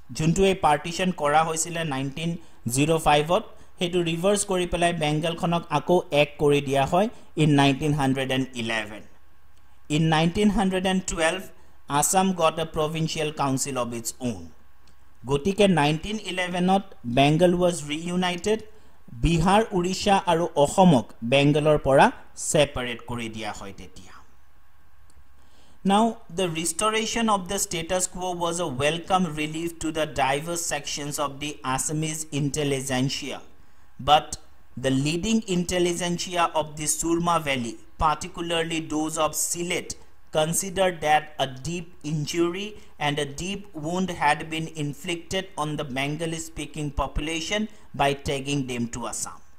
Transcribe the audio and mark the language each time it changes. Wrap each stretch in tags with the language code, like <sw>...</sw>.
<as>যোনটো এই পাৰ্টিশ্যন কৰা হৈছিলে 1905ত, সেইটো ৰিভাৰ্ছ কৰি পেলাই বেংগলখনক আকৌ এক কৰি দিয়া হয় in 1911।</as> <en>In 1912 Assam got a provincial council of its own.</en> <as>গতিকে 1911ত বেংগল</as> <en>was reunited,</en> <as>বিহাৰ, উৰিষ্যা আৰু অসমক বেংগলৰ পৰা ছেপাৰেট কৰি দিয়া হয় তেতিয়া।</as> <en>Now the restoration of the status quo was a welcome relief to the diverse sections of the Assamese intelligentsia. But the leading intelligentsia of the Surma Valley, particularly those of Sylhet, considered that a deep injury and a deep wound had been inflicted on the Bengali-speaking population by taking them to Assam.</en>